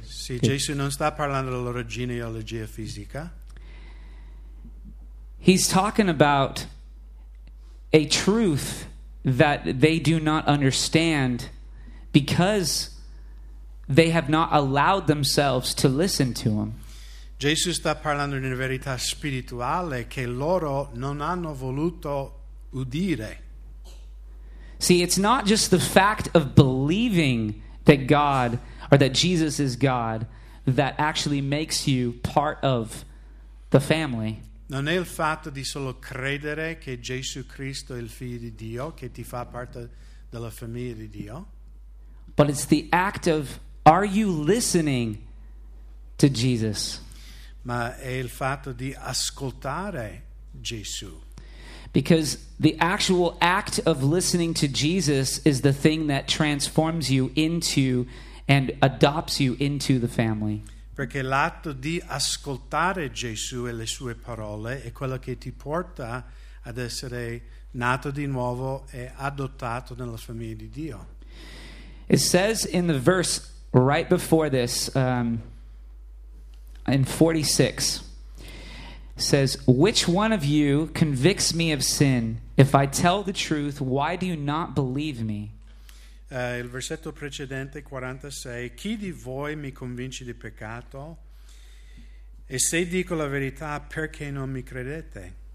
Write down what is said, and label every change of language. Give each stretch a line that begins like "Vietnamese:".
Italian: Sì, Gesù non sta parlando della loro genealogia fisica.
English: He's talking about a truth that they do not understand because they have not allowed themselves to listen to him.
Italian: Gesù sta parlando di una verità spirituale che loro non hanno voluto udire.
English: See, it's not just the fact of believing that God or that Jesus is God that actually makes you part of the family.
Italian: Non è il fatto di solo credere che Gesù Cristo è il figlio di Dio che ti fa parte della famiglia di Dio.
English: But it's the act of, are you listening to Jesus?
Italian: Ma è il fatto di ascoltare Gesù.
English: Because the actual act of listening to Jesus is the thing that transforms you into and adopts you into the family.
Italian: Perché l'atto di ascoltare Gesù e le sue parole è quello che ti porta ad essere nato di nuovo e adottato nella famiglia di Dio.
English: It says in the verse right before this, in 46, says, which one of you convicts me of sin? If I tell the truth, why do you not believe me?
Italian: Il versetto precedente, 46, chi di voi mi convince di peccato? E se dico la verità, perché non mi credete?